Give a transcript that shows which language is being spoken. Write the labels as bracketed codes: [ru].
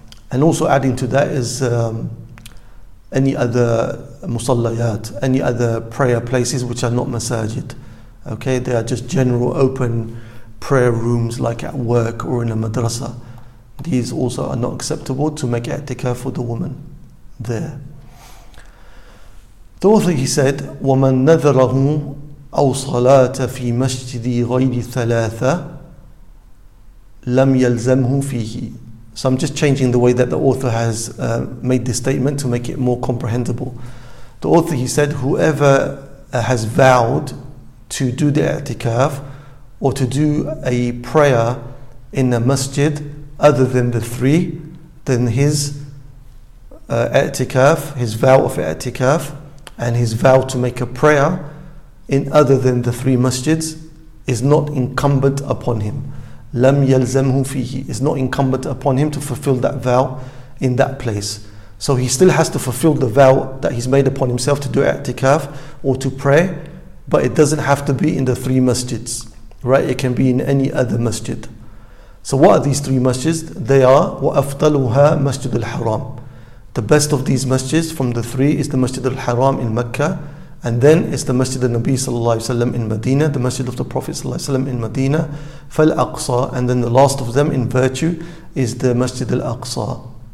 [en] And also adding to that is any other musallayat, any other prayer places which are not masajid. Okay, they are just general open prayer rooms like at work or in a madrasa. These also are not acceptable to make i'tikaf for the woman there. The author, he said, [ar] وَمَنْ نَذَرَهُ أَوْ صَلَاتَ فِي مَسْجِدِ غَيْرِ ثَلَاثَ لَمْ يَلْزَمْهُ فِيهِ. [en] So I'm just changing the way that the author has made this statement to make it more comprehensible. The author, he said, whoever has vowed to do the i'tikaf or to do a prayer in a masjid other than the three, then his i'tikaf, his vow of i'tikaf, and his vow to make a prayer in other than the three masjids is not incumbent upon him. [ar] لَمْ يَلْزَمْهُ فِيهِ. [en] It's not incumbent upon him to fulfill that vow in that place. So he still has to fulfill the vow that he's made upon himself to do i'tikaf or to pray, but it doesn't have to be in the three masjids, right? It can be in any other masjid. So what are these three masjids? They are [ar] وَأَفْضَلُهَا مَسْجِدُ الْحَرَامِ. [en] The best of these masjids from the three is the Masjid al-Haram in Mecca, and then it's the Masjid al-Nabi sallallahu alayhi wa sallam in Medina, the Masjid of the Prophet sallallahu alayhi wa sallam in Medina, Fal-Aqsa, and then the last of them in virtue is the Masjid al-Aqsa.